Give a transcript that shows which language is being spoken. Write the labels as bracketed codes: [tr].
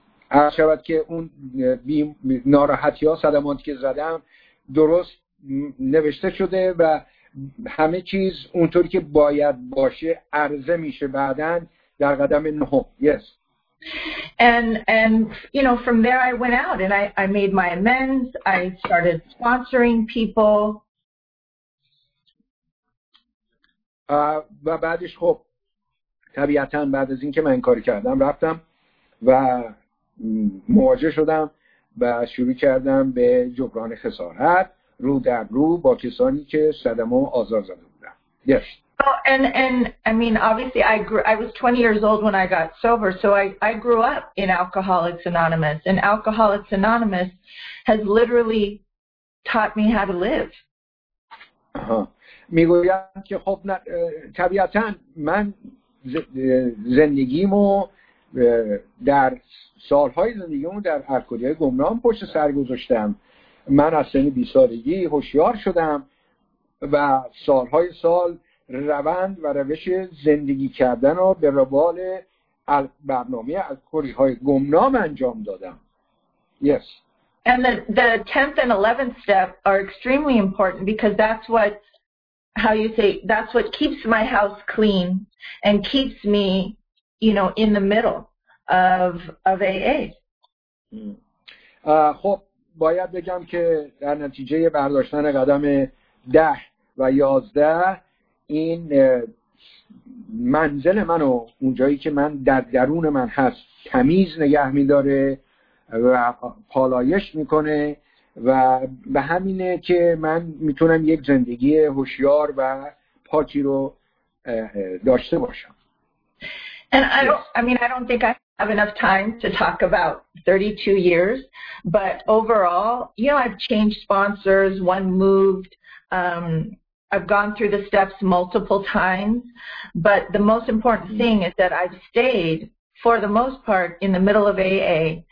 [fa] عرشبت که اون ناراحتی ها صدماتی که زدم درست نوشته شده و همه چیز اونطوری که باید باشه عرضه میشه بعدن در قدم نهم. [en] Yes. And you know, from there I went out and I made my amends. I started sponsoring people. [fa] و بعدش خب طبیعتاً بعد از اینکه من این کاری کردم رفتم و مواجه شدم و شروع کردم به جبران خسارت رو در رو با کسانی که صدمه و آزار زده بودم. [en] Yes. Oh, and I mean, obviously, I was 20 years old when I got sober, so I grew up in Alcoholics Anonymous, and Alcoholics Anonymous has literally taught me how to live. [fa] میگویم که خب طبیعتاً من زندگیمو در سالهای زندگیمو در الکلی‌های گمنام پشت سر گذاشتم. من از سن 20 سالگی هوشیار شدم و سالهای سال روند و روش زندگی کردن را به روال برنامه الکلی های گمنام انجام دادم. [en] Yes. And the 10th and 11th step are extremely important because that's what, how you say, that's what keeps my house clean and keeps me, you know, in the middle of AA. [fa] خب باید بگم که در نتیجه برداشتن قدم 10 و 11 این منزل منو اونجایی که من در درون من هست تمیز نگه می‌داره و پالایش میکنه و به همینه که من میتونم یک زندگی هوشیار و پاکی رو داشته باشم. [en] And I don't think I have enough time to talk about 32 years, but overall, you know, I've changed sponsors, one moved, I've gone through the steps multiple times, but the most important thing is that I've stayed for the most part in the middle of AA.